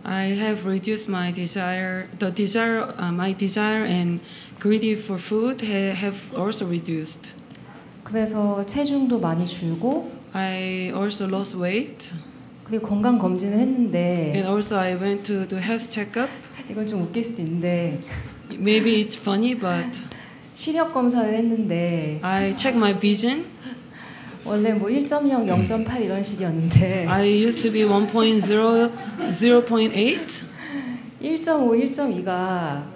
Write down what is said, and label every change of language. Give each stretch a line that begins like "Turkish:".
English: I have reduced my desire the desire my desire and greedy for food have also reduced.
Korean: 그래서 체중도 많이 줄고
English: I also lost weight.
Korean: 그리고 건강 검진을 했는데
English: And also I went to do health checkup.
Korean: 이건 좀 웃길 수도 있는데
English: Maybe it's funny but
Korean: 시력 검사를 했는데
English: I check my vision.
Korean: 원래 뭐 1.0, 0.8 이런 식이었는데
English: I used to be 1.0,
Korean: 0.8 1.5, 1.2가